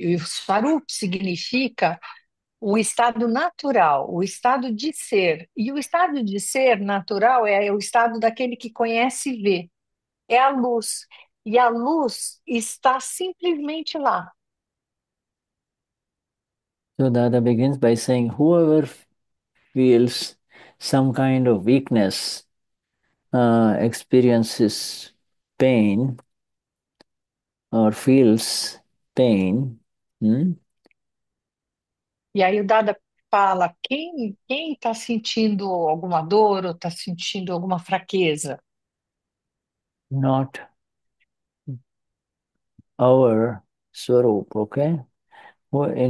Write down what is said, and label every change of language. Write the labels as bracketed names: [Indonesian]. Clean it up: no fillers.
[Portuguese] O swarup significa o estado natural, o estado de ser. E o estado de ser natural é o estado daquele que conhece e vê. É a luz. E a luz está simplesmente lá. [English] So Dada begins by saying, whoever feels some kind of weakness, experiences pain or feels pain, [Portuguese] E aí, o Dada fala: quem está sentindo alguma dor ou está sentindo alguma fraqueza? [English] Not our swarup, okay? Well, you